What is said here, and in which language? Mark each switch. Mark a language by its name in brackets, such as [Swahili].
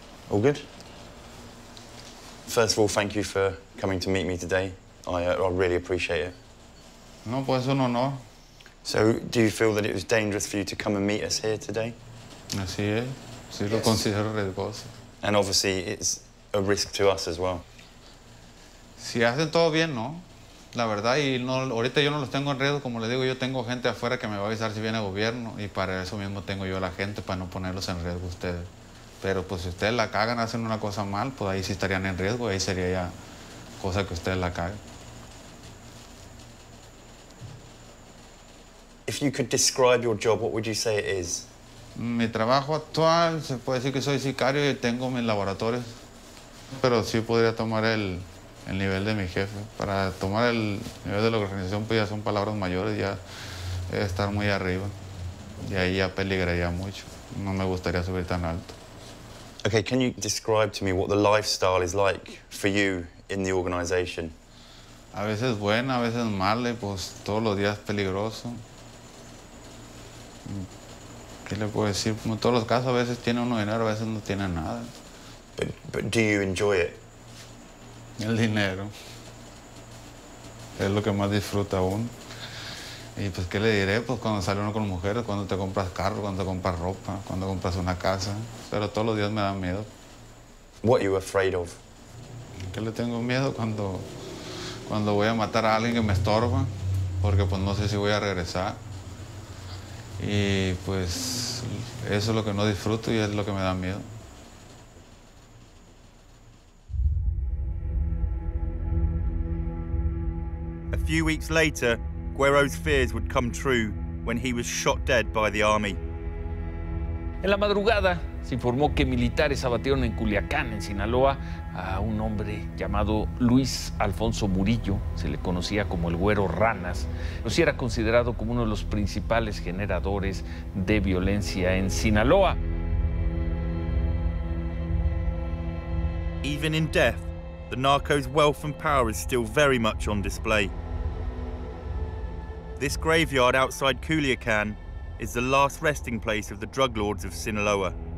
[English] All good? First of all, thank you for coming to meet me today. I really appreciate it. [Spanish] No, pues un honor. [English] So, do you feel that it was dangerous for you to come and meet us here today? [Spanish] Así es. Sí, lo considero riesgoso. [English] And obviously, it's a risk to us as well. [Spanish] Si hacen todo bien, ¿no? La verdad, y no, ahorita yo no los tengo en riesgo, como le digo, yo tengo gente afuera que me va a avisar si viene el gobierno, y para eso mismo tengo yo a la gente, para no ponerlos en riesgo ustedes. Pero pues si ustedes la cagan, hacen una cosa mal, pues ahí sí estarían en riesgo, ahí sería ya cosa que ustedes la caguen. [English] If you could describe your job, what would you say it is? [Spanish] Mi trabajo actual, se puede decir que soy sicario y tengo mis laboratorios, pero sí podría tomar el nivel de mi jefe. Para tomar el nivel de la organización, pues ya son palabras mayores, ya estar muy arriba. Y ahí ya peligraría mucho. No me gustaría subir tan alto. [English] Okay, can you describe to me what the lifestyle is like for you in the organization? [Spanish] A veces buena, a veces mala, pues todos los días peligroso. ¿Qué le puedo decir? En todos los casos, a veces tiene uno dinero, a veces no tiene nada. [English] But do you enjoy it? [Spanish] El dinero es lo que más disfruta uno. Y pues, ¿qué le diré? Pues cuando sale uno con mujeres, cuando te compras carro, cuando te compras ropa, cuando compras una casa. Pero todos los días me dan miedo. [English] What are you afraid of? [Spanish] ¿Qué le tengo miedo? Cuando voy a matar a alguien que me estorba, porque pues no sé si voy a regresar. Y pues eso es lo que no disfruto y es lo que me da miedo. [English] A few weeks later, Guero's fears would come true when he was shot dead by the army. [Spanish] En la madrugada se informó que militares abatieron en Culiacán, en Sinaloa, a un hombre llamado Luis Alfonso Murillo. Se le conocía como el Güero Ranas. Luis era considerado como uno de los principales generadores de violencia en Sinaloa. [English] Even in death, the narco's wealth and power is still very much on display. This graveyard outside Culiacán is the last resting place of the drug lords of Sinaloa.